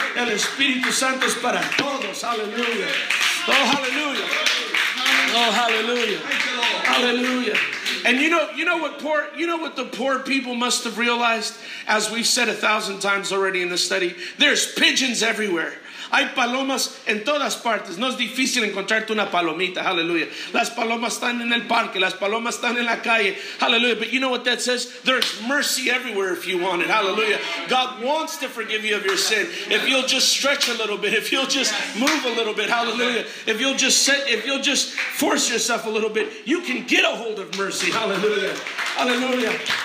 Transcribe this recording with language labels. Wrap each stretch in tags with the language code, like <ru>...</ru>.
<es>El Espíritu Santo es para todos, hallelujah. Oh, hallelujah. Oh, hallelujah. Hallelujah.</es> <en>And you know what the poor people must have realized? As we've said 1,000 times already in the study, there's pigeons everywhere.</en> <es>Hay palomas en todas partes. No es difícil encontrarte una palomita. Hallelujah. Las palomas están en el parque. Las palomas están en la calle. Hallelujah.</es> <en>But you know what that says? There's mercy everywhere if you want it. Hallelujah. God wants to forgive you of your sin. If you'll just stretch a little bit. If you'll just move a little bit. Hallelujah. If you'll just set, if you'll just force yourself a little bit, you can get a hold of mercy. Hallelujah. Hallelujah.</en>